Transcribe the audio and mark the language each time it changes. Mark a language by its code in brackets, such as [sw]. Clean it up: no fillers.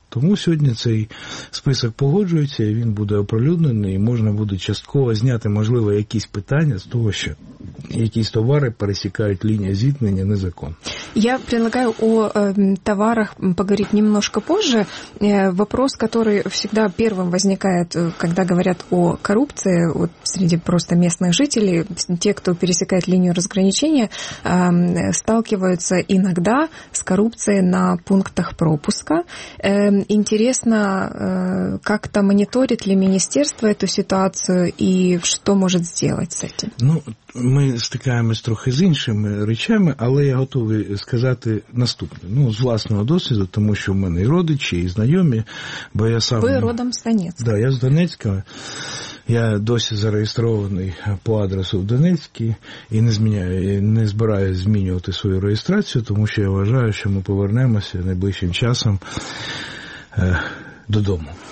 [uk] Тому сьогодні цей список погоджується, і він буде оприлюднений, і можна буде частково зняти, можливо, якісь питання з того, що якісь товари пересікають лінію зіткнення незаконно. [ru] Я предлагаю о товарах поговорить немножко позже. Вопрос, который всегда первым возникает, когда говорят о коррупции вот среди просто местных жителей, те, кто пересекает линию разграничения, сталкиваются иногда с коррупцией на пунктах пропуска. Интересно, как-то мониторит ли министерство эту ситуацию и что может сделать с этим? [uk] Ну, ми стикаємось трохи з іншими речами, але я готовий сказати наступне. Ну, з власного досвіду, тому що в мене і родичі, і знайомі, бо я сам... Ви родом з Донецька. Да, я з Донецька. Я досі зареєстрований по адресу в Донецькій і не збираюся змінювати свою реєстрацію, тому що я вважаю, що ми повернемося найближчим часом додому.